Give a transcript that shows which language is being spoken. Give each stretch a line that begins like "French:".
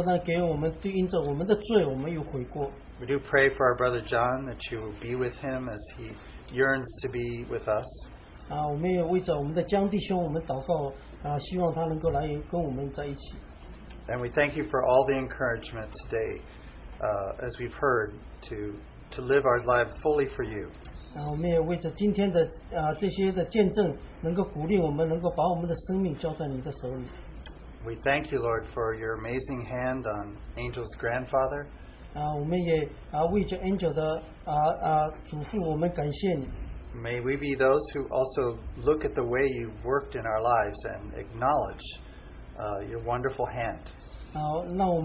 Chinese: 甚至呢，神有时候呢给我们，对应着我们的罪，我们又悔过。
English: We do pray for our brother John that you will be with him as he yearns to be with us.
Chinese: 我们也为着我们的江弟兄，我们祷告，希望他能够来跟我们在一起。
English: And we thank you for all the encouragement today, as we've heard, to live our life fully for you.
Chinese: 我们也为着今天的这些的见证，能够鼓励我们，能够把我们的生命交在你的手里。
English: We thank you, Lord, for your amazing hand on Angel's grandfather. May we be those who also look at the way you've worked in our lives and acknowledge your wonderful hand.